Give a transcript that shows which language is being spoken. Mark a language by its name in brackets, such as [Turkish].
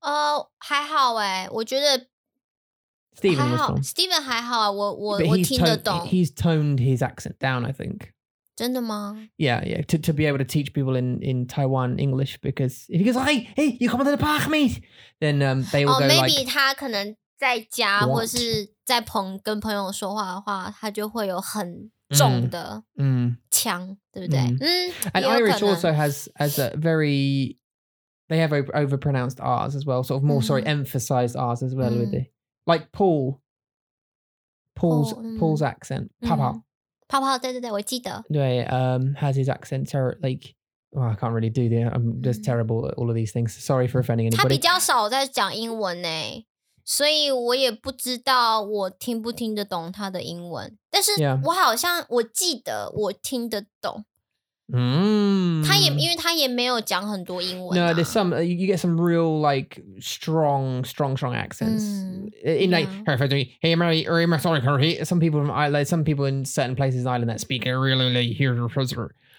[Chinese] Oh, 还好诶，我觉得 Stephen 还好, [English] was from. [Chinese] Stephen 还好啊，我听得懂。 [English] He's toned his accent down, I think. [Chinese] 真的吗? [English] Yeah, yeah. To be able to teach people in Taiwan English, because if he goes, hey, hey, you come to the park, mate, then they will go maybe like, [Chinese] 他可能在家或是在跟朋友说话的话，他就会有很 重的腔，对不对？ [English] And Irish also has a very, they have overpronounced R's as well, sort of more, sorry, emphasized R's as well. With it. Like Paul's accent, Papa, has his accent, like, well, I can't really do that. I'm just terrible at all of these things. Sorry for offending anybody. [Chinese] 他比较少在讲英文呢。所以我也不知道我听不听得懂他的英文，但是我好像我记得我听得懂。他也因为他也没有讲很多英文。 [English] No, there's some you get some real like strong accents. In like, hey, sorry, some people from Ireland, like, some people in certain places in Ireland that speak really, really hear your prisoner.